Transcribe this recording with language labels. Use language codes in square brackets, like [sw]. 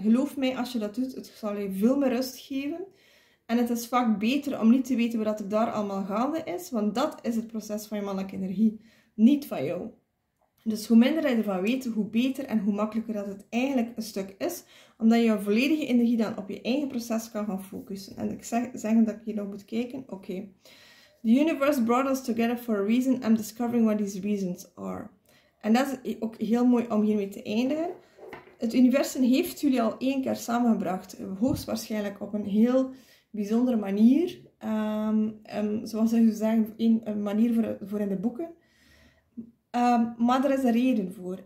[nl] Geloof mij, als je dat doet, het zal je veel meer rust geven. En het is vaak beter om niet te weten wat er daar allemaal gaande is, want dat is het proces van je mannelijke energie, niet van jou. Dus hoe minder je ervan weet, hoe beter en hoe makkelijker dat het eigenlijk een stuk is, omdat je je volledige energie dan op je eigen proces kan gaan focussen. En ik zeg dat ik hier nog moet kijken. Oké. [en] The universe brought us together for a reason. I'm discovering what these reasons are. [nl] En dat is ook heel mooi om hiermee te eindigen. Het universum heeft jullie al één keer samengebracht, hoogstwaarschijnlijk op een heel bijzondere manier. Zoals ze zeggen, een manier voor in de boeken. Maar er is een reden voor.